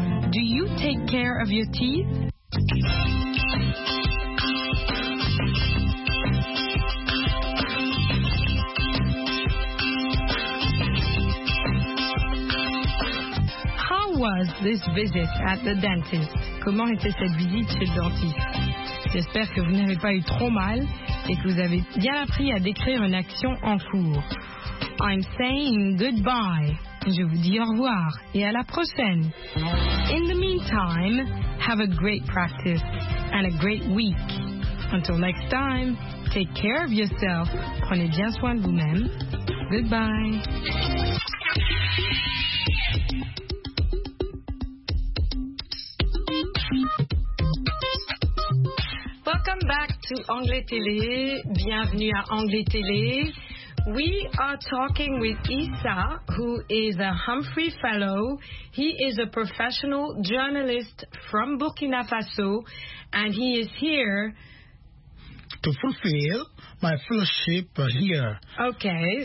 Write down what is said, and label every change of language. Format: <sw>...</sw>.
<en>Do you take care of your teeth? How was this visit at the dentist?</en> <fr>Comment était cette visite chez le dentiste? J'espère que vous n'avez pas eu trop mal et que vous avez bien appris à décrire une action en cours.</fr> <en>I'm saying goodbye.</en> <fr>Je vous dis au revoir et à la prochaine.</fr> <en>In the meantime, have a great practice and a great week. Until next time, take care of yourself.</en> <fr>Prenez bien soin de vous-même.</fr> <en>Goodbye. Welcome back to Anglais Télé.</en> <fr>Bienvenue à Anglais Télé.</fr> <en>We are talking with Issa, who is a Humphrey Fellow. He is a professional journalist from Burkina Faso, and he is here to fulfill my fellowship here. Okay.</en>